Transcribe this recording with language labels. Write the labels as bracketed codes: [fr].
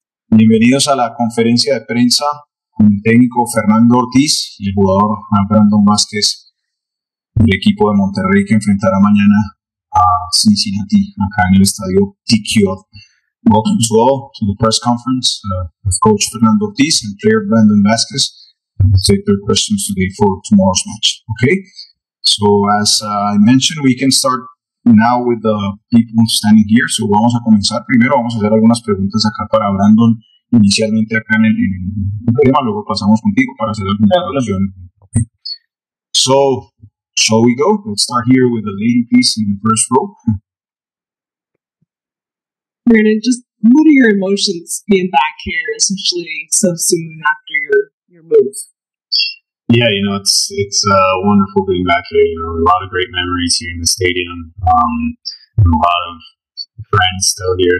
[es] Bienvenidos a la conferencia de prensa con el técnico Fernando Ortíz y el jugador Brandon Vázquez del equipo de Monterrey que enfrentará mañana a Cincinnati acá en el estadio TQO. [en] Welcome to all to the press conference with coach Fernando Ortiz and player Brandon Vázquez. We'll take their questions today for tomorrow's match. Okay? So as I mentioned, we can start now with the people standing here. So [es] vamos a comenzar primero, vamos a hacer algunas preguntas acá para Brandon inicialmente acá en el tema, luego pasamos contigo para hacer alguna evaluación. [en] Okay. So, shall we go? Let's start here with the lady piece in the first row. Brandon, just what are your emotions being back here, especially so soon after your move? Yeah, you know, it's wonderful being back here. You know, a lot of great memories here in the stadium, and a lot of friends still here.